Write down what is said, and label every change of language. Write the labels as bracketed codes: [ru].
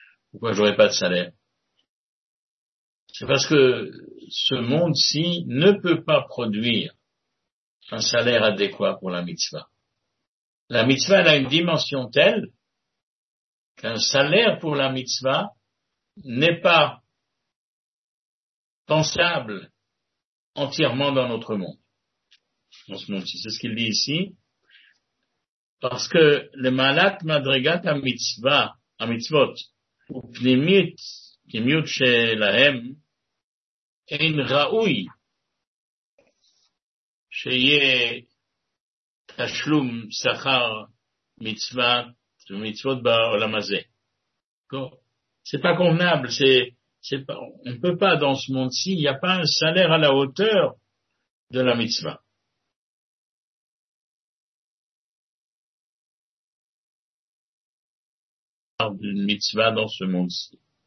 [fr] Pourquoi je n'aurais pas de salaire? C'est parce que ce monde-ci ne peut pas produire un salaire adéquat pour la mitzvah. La mitzvah, elle a une dimension telle qu'un salaire pour la mitzvah n'est pas pensable entièrement dans notre monde. dans ce monde-ci. C'est ce qu'il dit ici. Parce que le [he] malat madrigat ha mitzvot ופנימית פנימיות שלהם אין ראוי שיהיה תשלום שכר מצוות בעולם הזה. [fr] C'est pas convenable, c'est pas, on peut pas dans ce monde-ci, il n'y a pas un salaire à la hauteur de la mitzvah. D'une mitzvah dans ce monde-ci.